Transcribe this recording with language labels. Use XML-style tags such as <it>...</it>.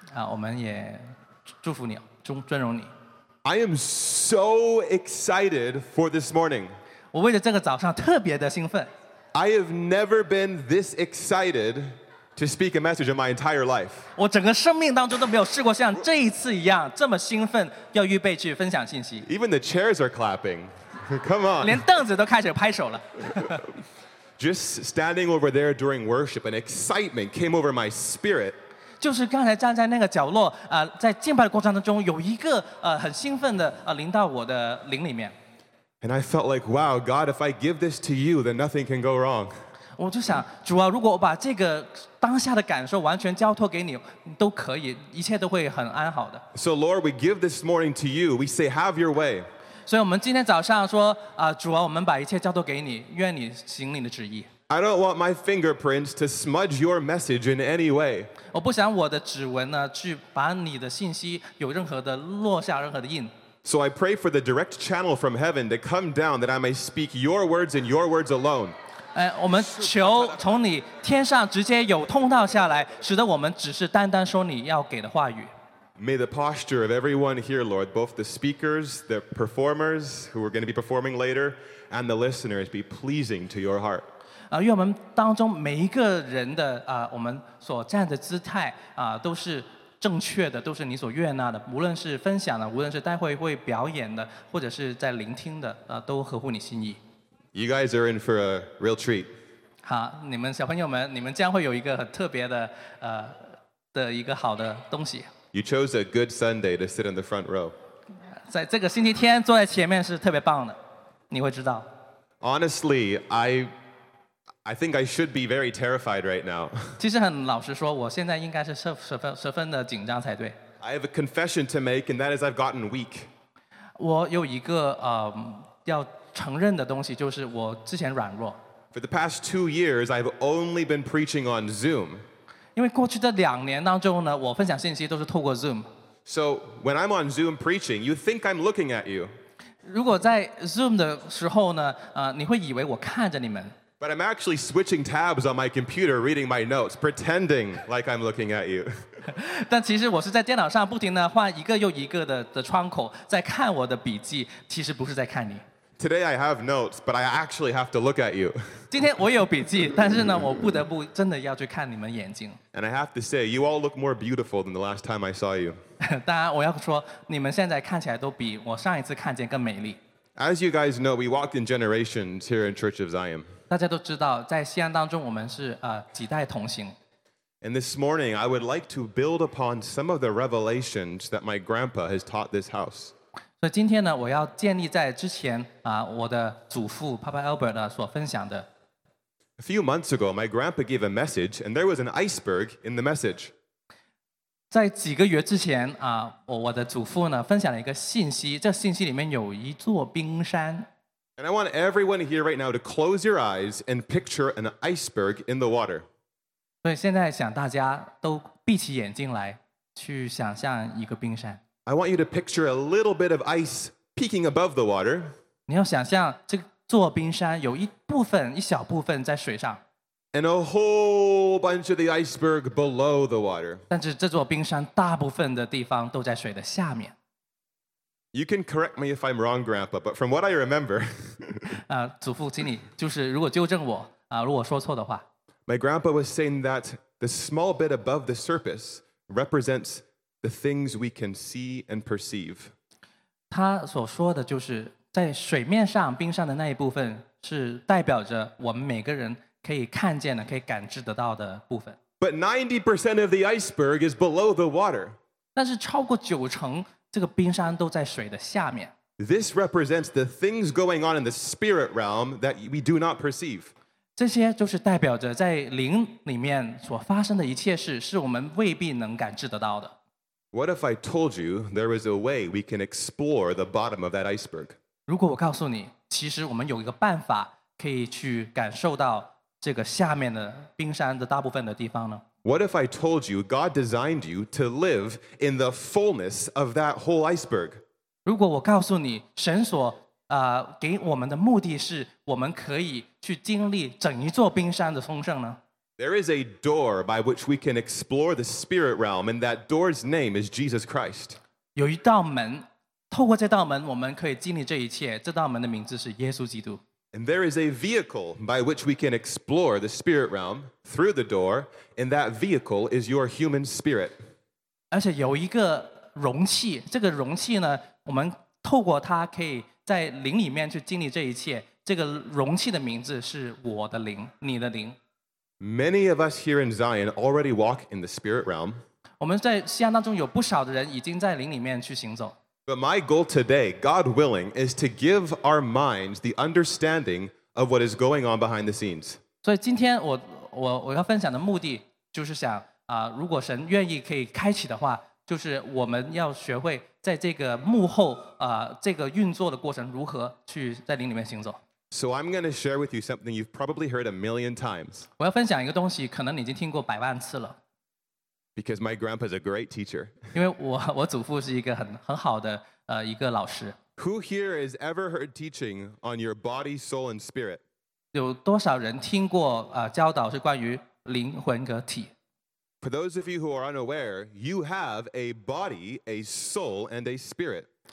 <zh>我们也祝福你，尊荣你。</zh> <en>I am so excited for this morning.</en> <zh>我为了这个早上特别的兴奋。</zh> <en>I have never been this excited to speak a message in my entire life.</en> <zh>我整个生命当中都没有试过像这一次一样这么兴奋，要预备去分享信息。</zh> <en>Even the chairs are clapping. Come on.</en> <zh>连凳子都开始拍手了。</zh> <en>Just standing over there during worship, an excitement came over my spirit.</en> <zh>就是刚才站在那个角落在敬拜的过程当中有一个很兴奋的临到我的灵里面。</zh> <en>And I felt like, wow, God, if I give this to you, then nothing can go wrong.</en> <zh>我就想主啊如果我把这个当下的感受完全交托给你都可以一切都会很安好的。</zh> <en>So Lord, we give this morning to you. We say, have your way.</en> <zh>所以我们今天早上说主啊我们把一切交托给你愿你行你的旨意。</zh> <en>I don't want my fingerprints to smudge your message in any way.</en> <zh>我不想我的指纹呢，去把你的信息有任何的落下任何的印。</zh> <en>So I pray for the direct channel from heaven to come down that I may speak your words and your words alone.</en> <zh>我们求从你天上直接有通道下来，使得我们只是单单说你要给的话语。</zh> <en>May the posture of everyone here, Lord, both the speakers, the performers who are going to be performing later, and the listeners be pleasing to your heart.</en> <zh>愿我们当中每一个人的我们所站的姿态都是正确的都是你所悦纳的无论是分享的无论是待会会表演的或者是在聆听的都合乎你心意</zh> <en>You guys are in for a real treat</en> <zh>好你们小朋友们你们将会有一个很特别的的一个好的东西</zh> <en>You chose a good Sunday to sit in the front row</en> <zh>在这个星期天坐在前面是特别棒的你会知道</zh> <en>Honestly I think I should be very terrified right now.</en> <zh>其实很老实说，我现在应该是十分的紧张才对。</zh> <en>I have a confession to make, and that is I've gotten weak.</en> <zh>我有一个要承认的东西，就是我之前软弱。</zh> <en>For the past 2 years, I've only been preaching on Zoom.</en> <zh>因为过去的两年当中呢，我分享信息都是透过 Zoom.</zh> <en>So when I'm on Zoom preaching, you think I'm looking at you.</en> <zh>如果在 Zoom 的时候呢，你会以为我看着你们。</zh> <en>But I'm actually switching tabs on my computer, reading my notes, pretending like I'm looking at you.</en> <zh>但其实我是在电脑上不停地换一个又一个的窗口，在看我的笔记，其实不是在看你。</zh> <en>Today I have notes, but I actually have to look at you.</en> <zh>今天我有笔记，但是呢，我不得不真的要去看你们眼睛。</zh> <en>And I have to say, you all look more beautiful than the last time I saw you.</en> <zh>当然，我要说，你们现在看起来都比我上一次看见更美丽。</zh> <en>As you guys know, we walk in generations here in Church of Zion.</en> <zh>大家都知道，在西安当中，我们是几代同行。</zh> <en>And this morning, I would like to build upon some of the revelations that my grandpa has taught this house.</en> <zh>所以今天呢，我要建立在之前我的祖父 Papa Albert 所分享的。</zh> <en>A few months ago, my grandpa gave a message, and there was an iceberg in the message.</en> <zh>在几个月之前我的祖父呢分享了一个信息，这信息里面有一座冰山。</zh> <en>And I want everyone here right now to close your eyes and picture an iceberg in the water.</en> <zh>所以现在想大家都闭起眼睛来，去想象一个冰山。</zh> <en>I want you to picture a little bit of ice peeking above the water.</en> <zh>你要想象这座冰山有一部分，一小部分在水上。</zh> <en>And a whole bunch of the iceberg below the water.</en> <zh>但是这座冰山大部分的地方都在水的下面。</zh> <en>You can correct me if I'm wrong, Grandpa, but from what I remember,</en> <zh>祖父，请你就是如果纠正我如果说错的话</zh> <en>，My grandpa was saying that the small bit above the surface represents the things we can see and perceive.</en> <zh>他所说的就是在水面上冰上的那一部分是代表着我们每个人可以看见的、可以感知得到的部分。</zh> <en>But 90% of the iceberg is below the water.</en> <zh>但是超过九成。这个冰山都在水的下面。</zh> <en>This represents the things going on in the spirit realm that we do not perceive.</en> <zh>这些就是代表着在灵里面所发生的一切事，是我们未必能感知得到的。</zh> <en>What if I told you there is a way we can explore the bottom of that iceberg?</en> <zh>如果我告诉你，其实我们有一个办法可以去感受到这个下面的冰山的大部分的地方呢？</zh> <en>What if I told you God designed you to live in the fullness of that whole iceberg?</en> <zh>如果我告诉你神所给我们的目的是我们可以去经历整一座冰山的丰盛呢？</zh> <en>There is a door by which we can explore the spirit realm, and that door's name is Jesus Christ.</en> <zh>有一道门，透过这道门我们可以经历这一切，这道门的名字是耶稣基督。</zh> <en>And there is a vehicle by which we can explore the spirit realm through the door, and that vehicle is your human spirit.</en> <zh>而且有一个容器，这个容器呢，我们透过它可以在灵里面去经历这一切。这个容器的名字是我的灵，你的灵。</zh> <en>Many of us here in Zion already walk in the spirit realm.</en> <zh>我们在西安当中有不少的人已经在灵里面去行走。</zh> <en>But my goal today, God willing, is to give our minds the understanding of what is going on behind the scenes.</en> <zh>所以今天我要分享的目的就是想如果神愿意可以开启的话，就是我们要学会在这个幕后这个运作的过程如何去在灵里面行走。</zh> <en>So I'm going to share with you something you've probably heard a million times.</en> <zh>我要分享一个东西，可能你已经听过百万次了。</zh> <en>Because my grandpa is a great teacher.</en> <zh>因为我祖父是一个很好的一个老师。</zh> <en>Who here has ever heard teaching on your body, soul, and spirit?</en> <zh>有多少人听过教导是关于灵魂和体？</zh> <en>For those of you who are unaware, you have a body, a soul, and a spirit.</en>